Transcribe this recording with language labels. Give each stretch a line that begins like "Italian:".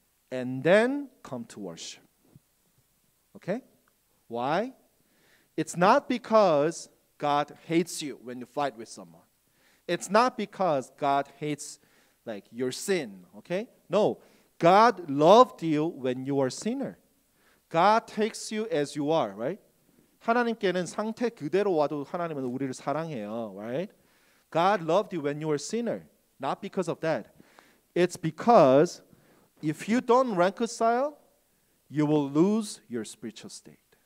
English: And then come to worship. Okay? Why? It's not because God hates you when you fight with someone. It's not because God hates, like, your sin. Okay? No. God loved you when you were a sinner. God takes you as you are, right?
Korean: 하나님께는 상태 그대로 와도 하나님은 우리를 사랑해요, right?
English: God loved you when you were a sinner. Not because of that. It's because if you don't reconcile, you will lose your spiritual state.